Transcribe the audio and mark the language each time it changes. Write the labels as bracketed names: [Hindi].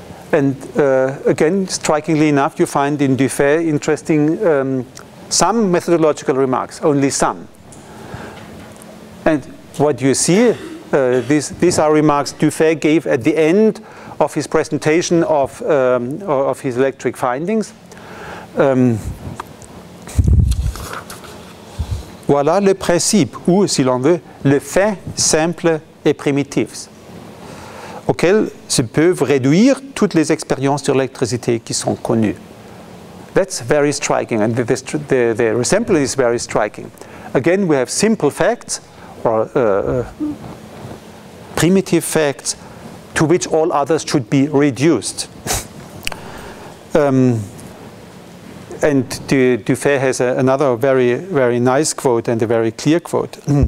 [English] And again, strikingly enough, you find in Dufay interesting some methodological remarks, only some. And what you see, these are remarks Dufay gave at the end of his presentation of his electric findings. [French] Voilà le principe, ou si l'on veut, le fait simple et primitif, auquel se peuvent réduire toutes les expériences sur l'électricité qui sont connues. [English] That's very striking, and the resemblance is very striking. Again, we have simple facts, or primitive facts, to which all others should be reduced. And Dufay has another very, very nice quote and a very clear quote.